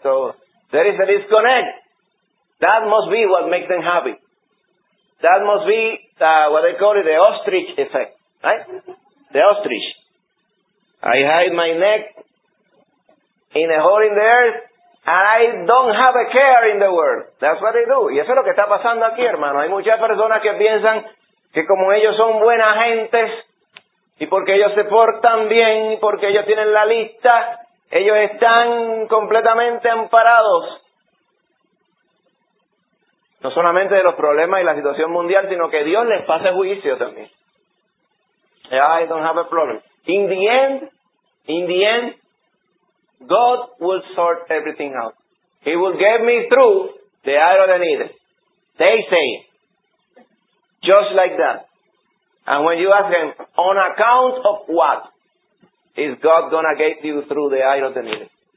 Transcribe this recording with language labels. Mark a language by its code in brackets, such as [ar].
[en] So there is a disconnect. That must be what makes them happy. That must be what they call it, the ostrich effect, right? The ostrich. I hide my neck in a hole in the earth, and I don't have a care in the world. That's what they do. [es] Y eso es lo que está pasando aquí, hermano. Hay muchas personas que piensan que como ellos son buenas gentes, y porque ellos se portan bien, y porque ellos tienen la lista, ellos están completamente amparados. No solamente de los problemas y la situación mundial, sino que Dios les pase juicio también. [en] I don't have a problem. In the end, God will sort everything out. He will get me through the eye of the needle. They say it. Just like that. And when you ask him, on account of what is God going to get you through the eye of the needle?